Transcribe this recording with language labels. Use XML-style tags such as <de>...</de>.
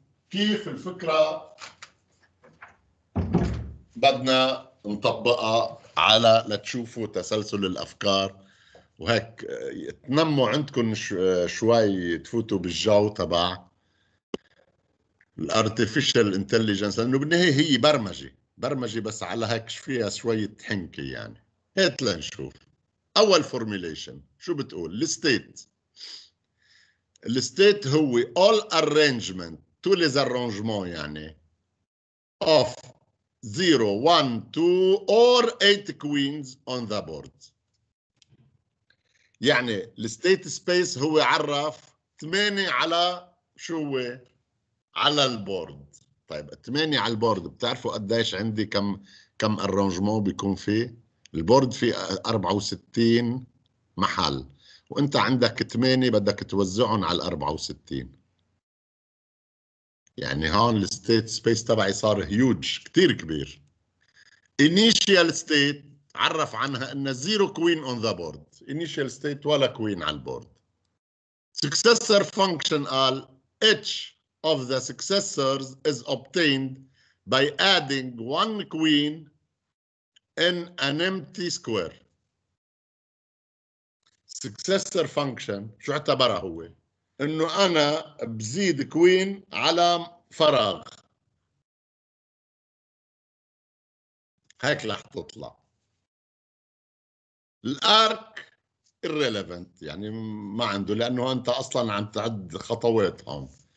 <ar>كيف الفكرة بدنا نطبقها على لتشوفوا تسلسل الأفكار وهيك تنموا عندكم شوي تفوتوا بالجو تبع الارتفيشل انتليجنس لأنه بالنهاية هي برمجة برمجة بس على هيك فيها شوي تحنكة. يعني هات لنشوف أول فورميليشن شو بتقول الستيت. الستيت هو</ar> <en>all arrangement</en> <ar>طول الارانجمون يعني</ar> <en>of 0, 1, 2, or 8 queens on the board.</en> <ar>يعني الستيت سبيس هو عرف 8 على شو على البورد. طيب 8 على البورد بتعرفوا قديش عندي كم ارانجمون بيكون فيه البورد فيه 64 محل وانت عندك 8 بدك توزعهم على 64. يعني هون الستيت سبيس تبعي صار هيوج كتير كبير.</ar> <en>initial state</en> <ar>عرف عنها انه</ar> <en>zero queen on the board.</en> <ar>initial state ولا queen على البورد.</ar> <en>successor function</en> <ar>قال</ar> <en>each of the successors is obtained by adding one queen in an empty square.</en> <ar>successor function شو اعتبرها هو انه انا بزيد كوين على فراغ هيك لح تطلع. الارك irrelevant يعني ما عنده لانه انت اصلا عم تعد خطوات هون</ar>